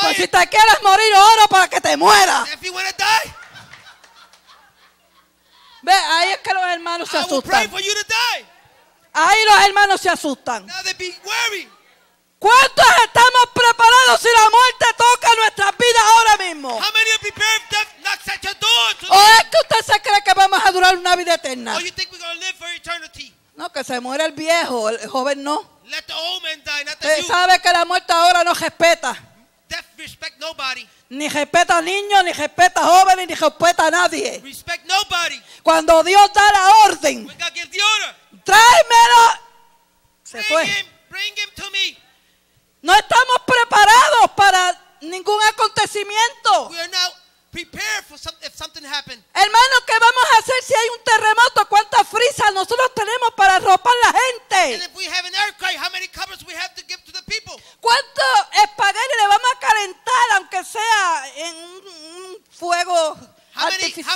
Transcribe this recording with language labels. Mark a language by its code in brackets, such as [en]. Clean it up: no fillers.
[es] Pues si te quieres morir, oro para que te muera. [en] If you wanna die, [es] ve, ahí es que los hermanos se asustan. [en] I will pray for you to die. [es] Ahí los hermanos se asustan. [en] Now they be worried. [es] ¿Cuántos estamos preparados si la muerte toca nuestras vidas ahora mismo? [en] How many are prepared if death knocks at your door? [es] ¿O es que usted se cree que vamos a durar una vida eterna? [en] Or you think we're gonna live for eternity? [es] No, que se muere el viejo, el joven no. [en] Let the old man die, not the youth. [es] Sabe que la muerte ahora no respeta. [en] Death respect nobody. [es] Ni respeta a niños, ni respeta a jóvenes, ni respeta a nadie. [en] Respect nobody. [es] Cuando Dios da la orden, [en] when God gives the order, [es] tráemelo. Se fue. [en] Bring him to me. [es] No estamos preparados para ningún acontecimiento. [en] We are not prepared for some, if something happened. [es] Hermano, ¿qué vamos a hacer si hay un terremoto? ¿Cuántas frisas nosotros tenemos para arropar la gente? [en] And if we have an earthquake, how many covers we have to give to the people? [es] ¿Cuánto espagueti le vamos a calentar aunque sea en un fuego artificial?